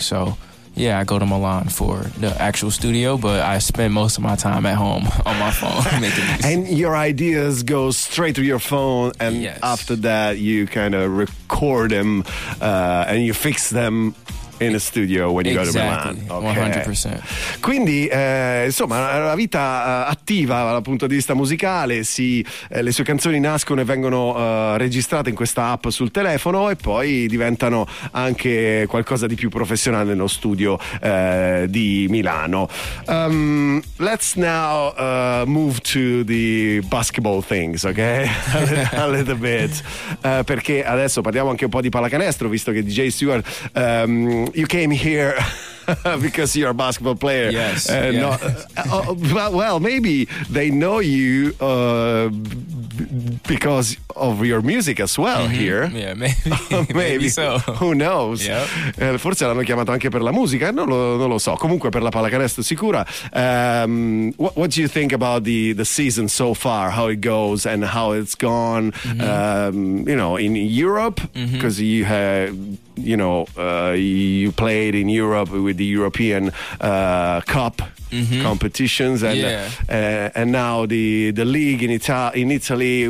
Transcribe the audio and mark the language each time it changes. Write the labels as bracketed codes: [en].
[en] So yeah, I go to Milan for the actual studio, but I spend most of my time at home on my phone making music. And your ideas go straight to your phone, and yes, after that you kind of record them and you fix them in a studio when you, exactly, go to Milan. Okay. 100%. [it] Quindi insomma la vita attiva dal punto di vista musicale, le sue canzoni nascono e vengono registrate in questa app sul telefono e poi diventano anche qualcosa di più professionale nello studio di Milano. [en] Let's now move to the basketball things, okay? A little bit, [it] perché adesso parliamo anche un po' di pallacanestro, visto che [en] DJ Stuart, you came here because you're a basketball player. Yes. Well, maybe they know you because of your music as well here. Yeah, maybe so. Who knows? Yep. [it] Forse l'hanno chiamato anche per la musica, non lo so. Comunque per la pallacanestro sicura. [en] What do you think about the season so far? How it goes and how it's gone? You know, in Europe, because you have, you know, you played in Europe with the European Cup competitions, and and now the league in Italy.